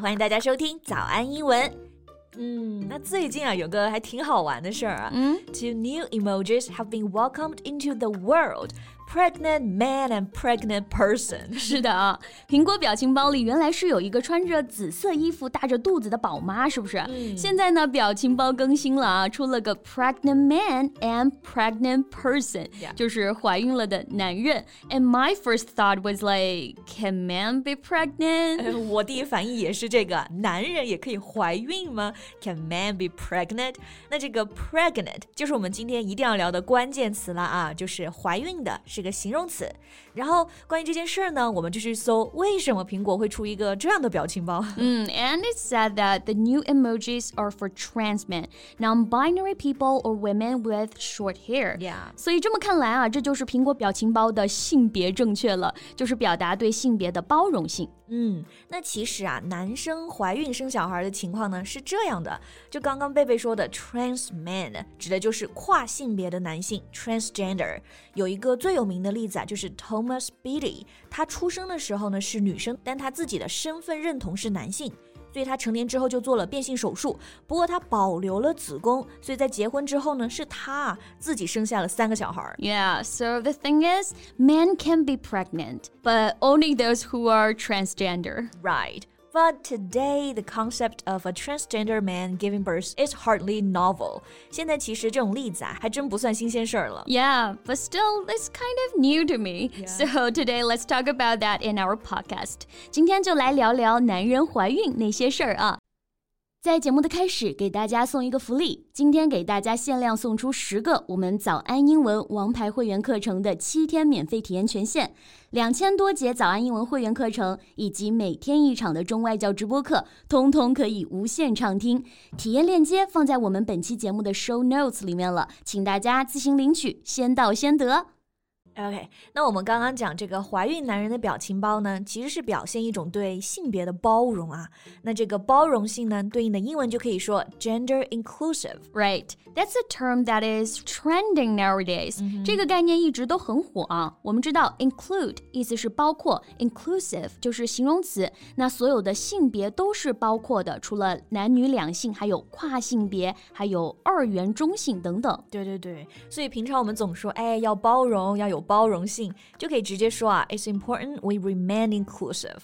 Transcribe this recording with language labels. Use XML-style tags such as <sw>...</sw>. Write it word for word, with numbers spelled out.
<zh>欢迎大家收听早安英文。嗯，那最近啊，有个还挺好玩的事儿啊。</zh> <en>嗯 ，Two new emojis have been welcomed into the world: pregnant man and pregnant person.</en> <zh>是的啊，苹果表情包里原来是有一个穿着紫色衣服、大着肚子的宝妈，是不是？嗯、现在呢，表情包更新了啊，出了个</zh> <en>pregnant man and pregnant person，、</en> <zh>yeah. 就是怀孕了的男人。</zh> <en>And my first thought was like, can man be pregnant?、</en> <zh>呃、我第一反应也是这个，男人也可以怀孕吗？</zh> <en>Can man be pregnant?</en> <zh>那这个 pregnant 就是我们今天一定要聊的关键词了啊，就是怀孕的，是个形容词。然后关于这件事呢，我们就去搜为什么苹果会出一个这样的表情包。</zh> <en>嗯 and it said that the new emojis are for trans men, non-binary people or women with short hair. Yeah.</en> <zh>所以这么看来啊，这就是苹果表情包的性别正确了，就是表达对性别的包容性。嗯，那其实啊，男生怀孕生小孩的情况呢是这样的，就刚刚贝贝说的 trans man 指的就是跨性别的男性 transgender。有一个最有名的例子啊，就是 Thomas Beatty， 他出生的时候呢是女生，但他自己的身份认同是男性。所以他成年之后就做了变性手术，不过他保留了子宫，所以在结婚之后呢，是他自己生下了三个小孩。</zh> <en>Yeah, so the thing is, men can be pregnant, but only those who are transgender. Right. But today, the concept of a transgender man giving birth is hardly novel.</en> <zh>现在其实这种例子啊，还真不算新鲜事了。</zh> <en>Yeah, but still, it's kind of new to me.、Yeah. So today, let's talk about that in our podcast.</en> <zh>今天就来聊聊男人怀孕那些事儿啊。在节目的开始，给大家送一个福利。今天给大家限量送出十个我们早安英文王牌会员课程的七天免费体验权限，两千多节早安英文会员课程以及每天一场的中外教直播课，通通可以无限畅听。体验链接放在我们本期节目的 show notes 里面了，请大家自行领取，先到先得。 OK， 那我们刚刚讲这个怀孕男人的表情包呢，其实是表现一种对性别的包容啊。那这个包容性呢，对应的英文就可以说 gender inclusive。</zh> <en>Right, that's a term that is trending nowadays.、Mm-hmm.</en> <zh>这个概念一直都很火啊。我们知道 include 意思是包括 inclusive 就是形容词，那所有的性别都是包括的，除了男女两性，还有跨性别，还有二元中性等等。对对对，所以平常我们总说，哎，要包容，要有包容性，就可以直接说啊</zh> <en>It's important we remain inclusive.</en>